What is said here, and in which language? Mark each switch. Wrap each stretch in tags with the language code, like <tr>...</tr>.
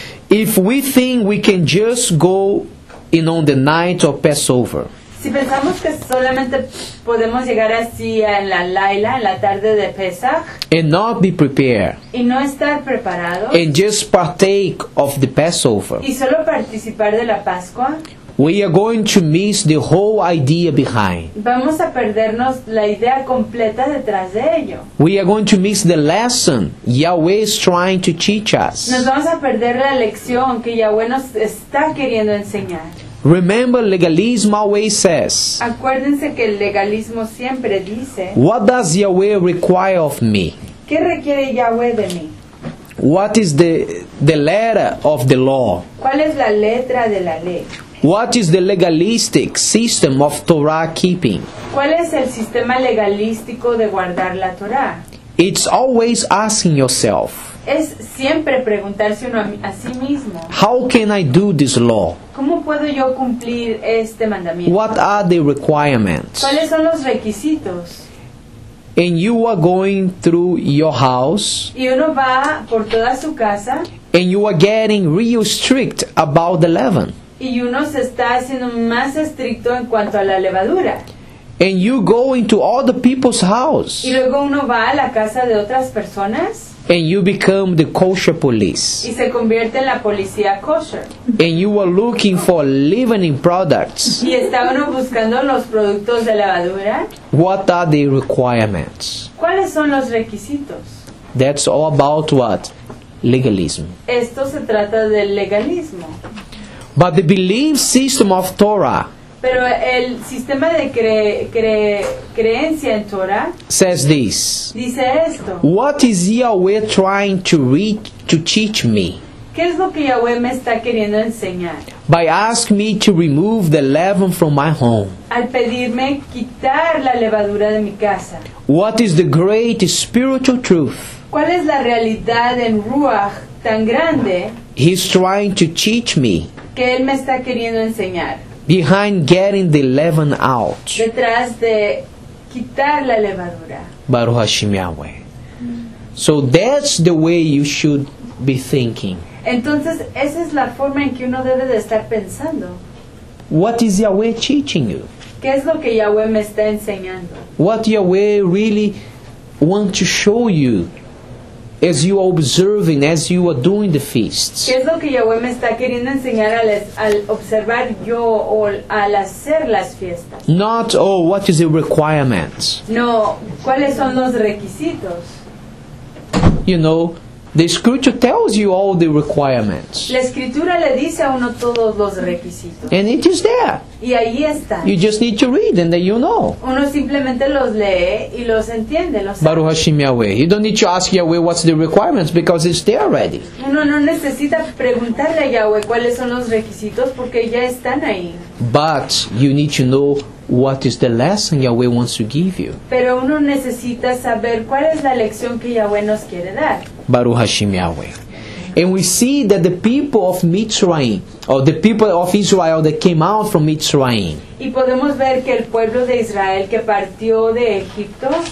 <en>If we think we can just go in on the night of Passover,</en> <es>si pensamos que solamente podemos llegar así en la Laila, en la tarde de Pesach,</es> <en>and not be prepared,</en> <es>y no estar preparado,</es> <en>and just partake of the Passover,</en> <es>y solo participar de la Pascua,</es> <en>we are going to miss the whole idea behind.</en> <es>Vamos a perdernos la idea completa detrás de ello.</es> <en>We are going to miss the lesson Yahweh is trying to teach us.</en> <es>Nos vamos a perder la lección que Yahweh nos está queriendo enseñar.</es> <en>Remember, legalism always says.</en> <es>Acuérdense que el legalismo siempre dice.</es> <en>What does Yahweh require of me?</en> <es>¿Qué requiere Yahweh de mí?</es> <en>What is the letter of the law?</en> <es>¿Cuál es la letra de la ley?</es> <en>What is the legalistic system of Torah keeping?</en> <es>¿Cuál es el sistema legalístico de guardar la Torah?</es> <en>It's always asking yourself.</en> <es>Es siempre preguntarse uno a sí mismo.</es> <en>How can I do this law?</en> <es>¿Cómo puedo yo cumplir este mandamiento?</es> <en>What are the requirements?</en> <es>¿Cuáles son los requisitos?</es> <en>And you are going through your house.</en> <es>Y uno va por toda su casa.</es> <en>And you are getting real strict about the leaven.</en> <es>Y uno se está haciendo más estricto en cuanto a la levadura.</es> <en>And you go into other people's house.</en> <es>Y luego uno va a la casa de otras personas.</es> <en>And you become the kosher police.</en> <es>Y se convierte en la policía kosher.</es> <en>And you are looking for leavening products.</en> <es>Y está uno buscando los productos de levadura.</es> <en>What are the requirements?</en> <es>¿Cuáles son los requisitos?</es> <en>That's all about what? Legalism.</en> <es>Esto se trata del legalismo.</es> <en>But the belief system of Torah,</en> <es>pero el sistema de creencia en Torah,</es> <en>says this.</en> <es>Dice esto.</es> <en>What is Yahweh trying to reach to teach me?</en> <es>¿Qué es lo que Yahweh me está queriendo enseñar?</es> <en>By asking me to remove the leaven from my home.</en> <es>Al pedirme quitar la levadura de mi casa.</es> <en>What is the great spiritual truth?</en> <es>¿Cuál es la realidad en Ruach tan grande?</es> <en>He's trying to teach me.</en> <es>Que él me está queriendo enseñar.</es> <en>Behind getting the leaven out.</en> <es>Detrás de quitar la levadura.</es> <he>Baruch Hashem Yahweh.</he> <en>So that's the way you should be thinking.</en> <es>Entonces, esa es la forma en que uno debe de estar pensando.</es> <en>What is Yahweh teaching you?</en> <es>¿Qué es lo que Yahweh me está enseñando?</es> <en>What Yahweh really want to show you as you are observing, as you are doing the feasts?</en> <es>¿Qué es lo que Yahweh me está queriendo enseñar al observar yo o al hacer las fiestas?</es> <en>Not, oh, what is the requirement?</en> <es>No, ¿cuáles son los requisitos?</es> <en>You know, the scripture tells you all the requirements.</en> <es>La escritura le dice a uno todos los requisitos.</es> <en>And it is there.</en> <es>Y ahí está.</es> <en>You just need to read and then you know.</en> <es>Uno simplemente los lee y los entiende. Los</es> <he>Baruch Hashem Yahweh.</he> <en>You don't need to ask Yahweh what's the requirements because it's there already.</en> <es>Uno no necesita preguntarle a Yahweh cuáles son los requisitos porque ya están ahí.</es> <en>But you need to know what is the lesson Yahweh wants to give you.</en> <es>Pero uno necesita saber cuál es la lección que Yahweh nos quiere dar.</es> <he>Baruch Hashem Yahweh.</he> <en>And we see that the people of Mitzrayim, or the people of Israel that came out from Mitzrayim,</en> <es>y podemos ver que el pueblo de Israel que partió de Egipto,</es>